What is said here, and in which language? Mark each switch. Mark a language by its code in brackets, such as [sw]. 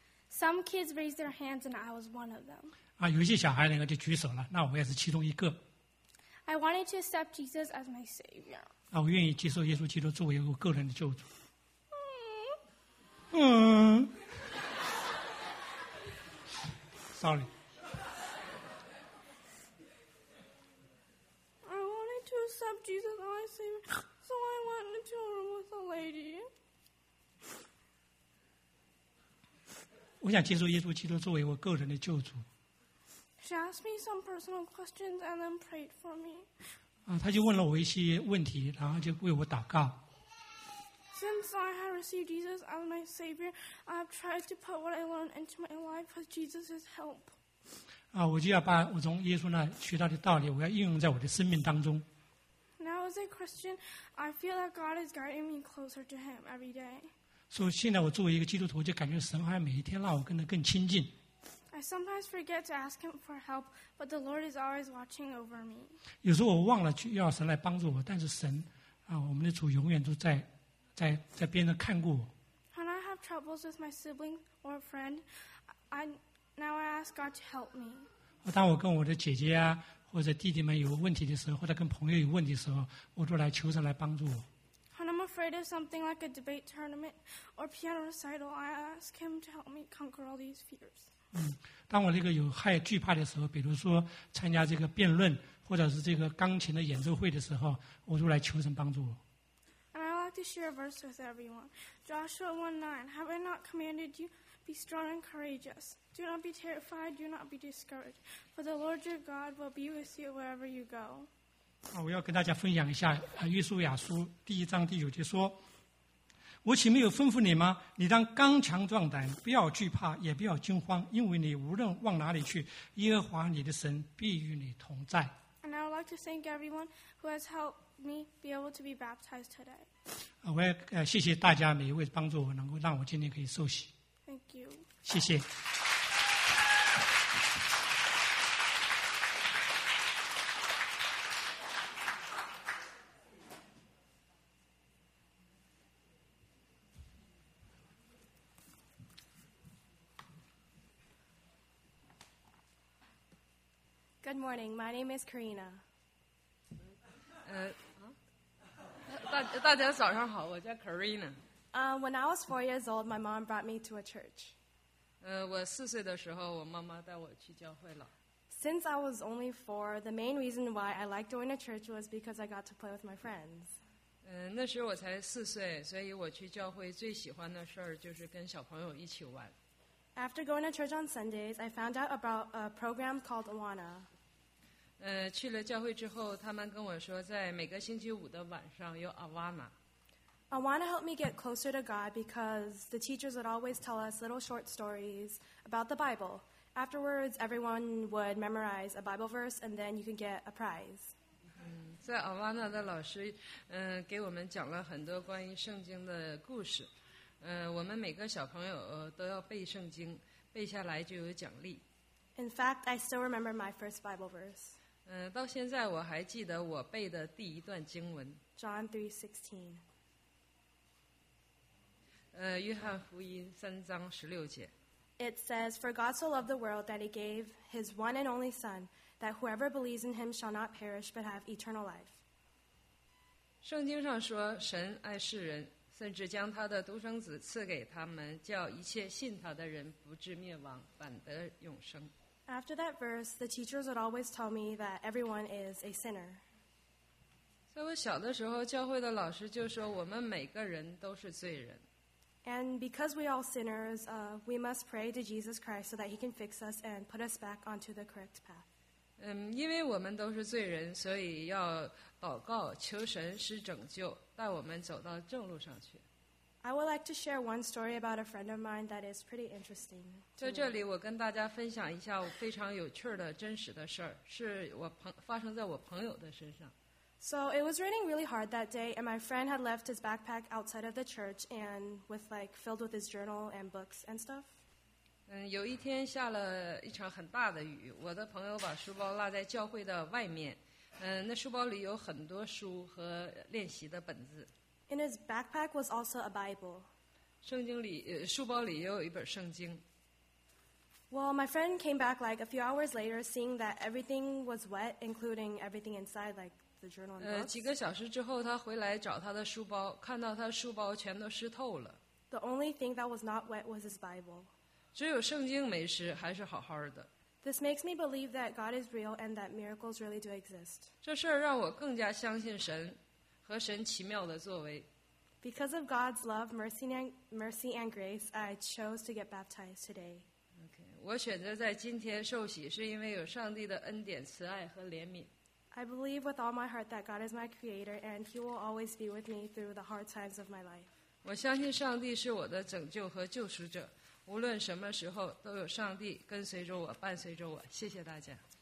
[en] Some kids raised their hands, and I was one of them. [zh] 有一些小孩那个就举手了，那我也是其中一个。 [en] I wanted to accept Jesus as my savior. [zh] 我愿意接受耶稣基督作为我个人的救主。 [en] Sorry. I wanted to accept Jesus as my savior, so I went into a room with a lady. [zh] 我想接受耶稣基督作为我个人的救主。 [en] She asked me some personal questions and then prayed for me. [zh] 他就问了我一些问题，然后就为我祷告。 [en] Since I have received Jesus as my Savior, I have tried to put what I learned into my life as Jesus' help. [zh] 我就要把我从耶稣那学到的道理，我要应用在我的生命当中。 [en] Now as a Christian, I feel that God is guiding me closer to Him every day. [zh] 所以现在我作为一个基督徒，就感觉神好像每一天让我跟他更亲近。 [en] I sometimes forget to ask him for help, but the Lord is always watching over me. [zh] 有时候我忘了去要神来帮助我，但是神我们的主永远都在边上看过我。 [en] When I have troubles with my sibling or friend, I ask God to help me. [zh] 当我跟我的姐姐或者弟弟们有问题的时候，或者跟朋友有问题的时候，我都来求神来帮助我。 [en] When I'm afraid of something like a debate tournament or piano recital, I ask him to help me conquer all these fears. [zh] 当我那个有害惧怕的时候，比如说参加这个辩论或者是这个钢琴的演奏会的时候，我就来求神帮助我。 [en] And I like to share a verse with everyone. Joshua 1:9. Have I not commanded you? Be strong and courageous. Do not be terrified. Do not be discouraged. For the Lord your God will be with you wherever you go. [zh] 我要跟大家分享一下约书亚书第一章第九节说，我岂没有吩咐你吗？你当刚强壮胆，不要惧怕，也不要惊慌，因为你无论往哪里去，耶和华你的神必与你同在。 [en] And I would like to thank everyone who has helped me be able to be baptized today. [zh] 我要谢谢大家每一位帮助我能够让我今天可以受洗。 [en] Thank you. [zh] 谢谢。 [en] Good morning. My name is Karina. [zh] 大家早上好，我叫 Karina。 [en] When I was 4 years old, my mom brought me to a church. [zh] 我四岁的时候，我妈妈带我去教会了。 [en] Since I was only 4, the main reason why I liked going to church was because I got to play with my friends. [zh] 那时我才四岁，所以我去教会最喜欢的事儿就是跟小朋友一起玩。 [en] After going to church on Sundays, I found out about a program called Awana. [zh] 去了教会之后，他们跟我说，在每个星期五的晚上有 Awana. [en] Awana helped me get closer to God because the teachers would always tell us little short stories about the Bible. Afterwards, everyone would memorize a Bible verse, and then you could get a prize. [zh] 在 Awana 的老师，给我们讲了很多关于圣经的故事。我们每个小朋友都要背圣经，背下来就有奖励。 [en] In fact, I still remember my first Bible verse. [zh] 到现在我还记得我背的第一段经文。 [en] John 3:16. [zh] 约翰福音3:16. [en] It says, "For God so loved the world that he gave his one and only Son, that whoever believes in him shall not perish but have eternal life." [zh] 圣经上说，神爱世人。甚至将他的独生子赐给他们，叫一切信他的人不至灭亡，反得永生。 [en] After that verse, the teachers would always tell me that everyone is a sinner. [zh] 在我小的时候，教会的老师就说我们每个人都是罪人。 [en] And because we all sinners, we must pray to Jesus Christ so that He can fix us and put us back onto the correct path. [zh] 因为我们都是罪人，所以要祷告，求神施拯救。带我们走到正路上去。 [en] I would like to share one story about a friend of mine that is pretty interesting. [zh] 在这里，我跟大家分享一下非常有趣的真实的事儿，是我发生在我朋友的身上。 [en] So it was raining really hard that day, and my friend had left his backpack outside of the church and with like filled with his journal and books and stuff. [zh] 有一天下了一场很大的雨，我的朋友把书包落在教会的外面。那书包里有很多书和练习的本子。 [en] In his backpack was also a Bible. [zh] 圣经里，书包里也有一本圣经。 [en] Well, my friend came back like a few hours later, seeing that everything was wet, including everything inside, like the journal. [zh] 几个小时之后，他回来找他的书包，看到他书包全都湿透了。 [en] The only thing that was not wet was his Bible. [zh] 只有圣经没湿，还是好好的。 [en] This makes me believe that God is real and that miracles really do exist. [zh] 这事让我更加相信神和神奇妙的作为。 [en] Because of God's love, mercy and grace, I chose to get baptized today. [zh] Okay, 我选择在今天受洗是因为有上帝的恩典、慈爱和怜悯。 [en] I believe with all my heart that God is my creator and he will always be with me through the hard times of my life. [zh] 我相信上帝是我的拯救和救赎者。无论什么时候，都有上帝跟随着我，伴随着我。谢谢大家。